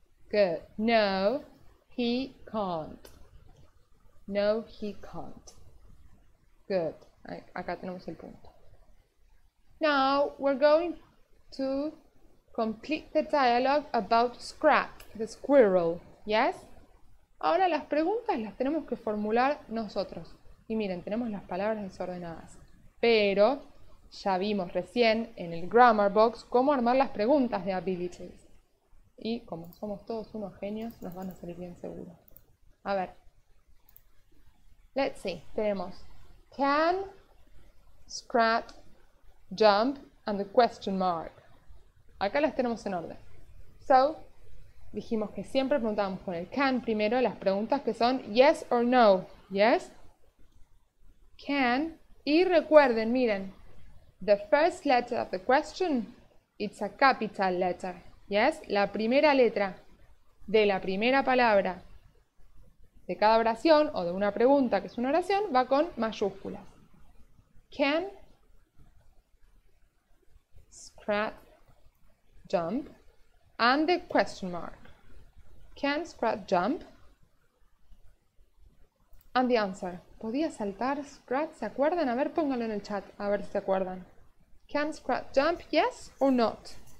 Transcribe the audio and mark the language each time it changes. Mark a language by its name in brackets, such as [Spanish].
[English] Good. No, he can't. No, he can't. Good. [Spanish] Acá tenemos el punto. [English] Now, we're going to complete the dialogue about Scrat, the squirrel. Yes? [Spanish] Ahora las preguntas las tenemos que formular nosotros. Y miren, tenemos las palabras desordenadas. Pero ya vimos recién en el Grammar Box cómo armar las preguntas de abilities. Y como somos todos unos genios, nos van a salir bien seguros. A ver. [English] Let's see. [Spanish] Tenemos [English] can, scrap, jump, and the question mark. [Spanish] Acá las tenemos en orden. So, dijimos que siempre preguntamos con el can primero las preguntas que son [English] yes or no. Yes? Can. [Spanish] Y recuerden, miren, [English] the first letter of the question, it's a capital letter. Yes? [Spanish] La primera letra de la primera palabra de cada oración o de una pregunta que es una oración va con mayúsculas. [English] Can, scrap, jump, and the question mark. Can, scrap, jump, and the answer. [Spanish] ¿Podía saltar, scrap? ¿Se acuerdan? A ver, pónganlo en el chat, a ver si se acuerdan. [English] Can, scrap, jump, yes or not?